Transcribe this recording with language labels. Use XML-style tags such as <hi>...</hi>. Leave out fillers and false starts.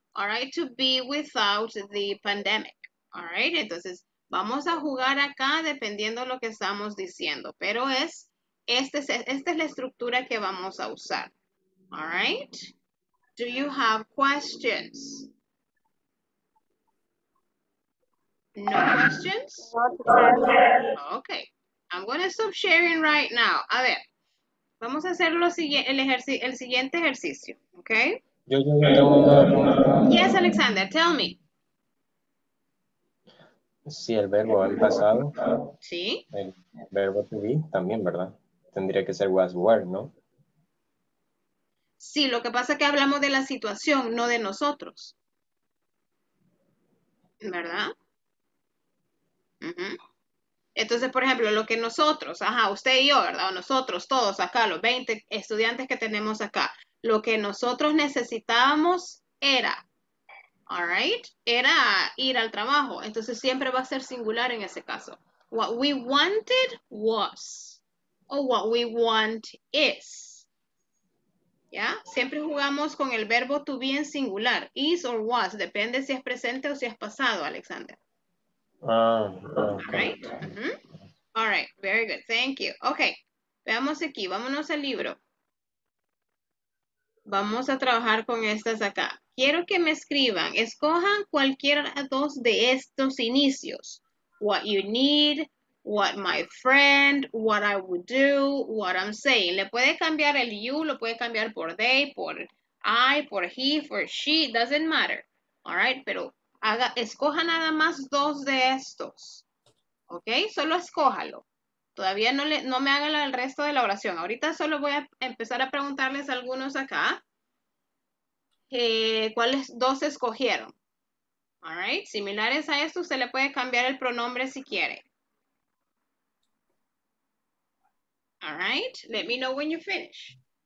<en>all right, to be without the pandemic, all right?</en> <es>Entonces, vamos a jugar acá dependiendo lo que estamos diciendo, pero es, esta es la estructura que vamos a usar, all right?</es> <en>Do you have questions? No questions? Okay, I'm going to stop sharing right now.</en> <es>A ver, vamos a hacer lo el siguiente ejercicio, okay?</es> <en>Yes, Alexander, tell me.</en> <es>Sí, el verbo al pasado. Sí. El verbo to be también, ¿verdad? Tendría que ser was, were, ¿no? Sí, lo que pasa es que hablamos de la situación, no de nosotros. ¿Verdad? Uh-huh. Entonces, por ejemplo, lo que nosotros, ajá, usted y yo, ¿verdad? O nosotros, todos acá, los 20 estudiantes que tenemos acá, lo que nosotros necesitábamos era, all right, era ir al trabajo. Entonces, siempre va a ser singular en ese caso.</es> <en>What we wanted was, o what we want is.</en> <es>¿Ya? Siempre jugamos con el verbo to be en singular, is or was, depende si es presente o si es pasado, Alexander.</es> <en>Okay. Right? Mm-hmm. All right, very good, thank you. Okay,</en> <es>veamos aquí, vámonos al libro. Vamos a trabajar con estas acá. Quiero que me escriban, escojan cualquiera dos de estos inicios.</es> <en>What you need, what my friend, what I would do, what I'm saying.</en> <es>Le puede cambiar el you, lo puede cambiar por they, por I, por he, for she,</es> <en>doesn't matter.</en> <es>All right, pero haga, escoja nada más dos de estos. Ok, solo escójalo. Todavía no me hagan el resto de la oración. Ahorita solo voy a empezar a preguntarles a algunos acá. ¿Cuáles dos escogieron? All right, similares a esto, usted le puede cambiar el pronombre si quiere.</es> <en>All right, let me know when you finish.</en>